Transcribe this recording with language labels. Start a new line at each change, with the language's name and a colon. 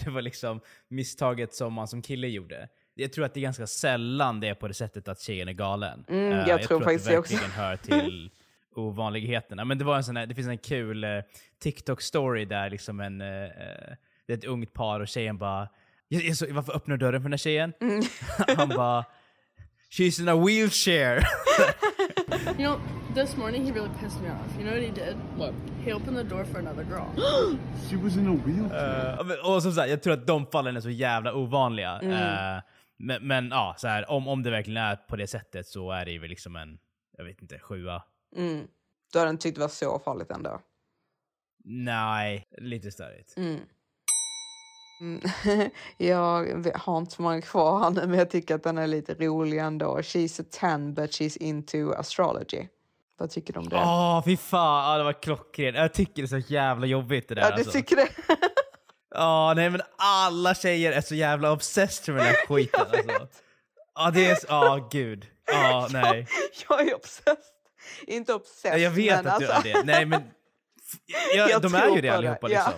Swedish: Det var liksom misstaget som man som kille gjorde. Jag tror att det är ganska sällan det är på det sättet att tjejen är galen. Jag tror faktiskt att det verkligen hör till ovanligheterna. Men det var en sån här, det finns en kul TikTok-story där liksom det är ett ungt par och tjejen bara, Jesus, varför öppnar dörren för den här tjejen? Han bara,
English: she's in a wheelchair. You know, this morning he really pissed me off. You know what he did? What? He opened the door for another girl. She was in a wheelchair.
Swedish: Och som sagt, jag tror att de fallen är så jävla ovanliga. Men ja, så här, om det verkligen är på det sättet, så är det ju liksom en, jag vet inte, sjua. Mm. Då har den tyckt det var så farligt ändå. Nej, lite störigt. Mm. Jag har inte så många kvar nu, men jag tycker att den är lite rolig ändå.
English: She's a 10, but she's into astrology.
Swedish: Vad tycker du om det? Åh, fy fan. Ah, det var klockrent. Jag tycker det är så jävla jobbigt det där. Ja, du alltså. Tycker det? Ja, ah, nej, men alla tjejer är så jävla obsessed med den här skiten. Jag vet. Ja, ah, det är... Ah, gud. Ja, ah, nej. Jag är obsessed. Inte obsessed. Jag vet men att alltså. Du är det. Nej, men... de är ju det allihopa, det. Liksom.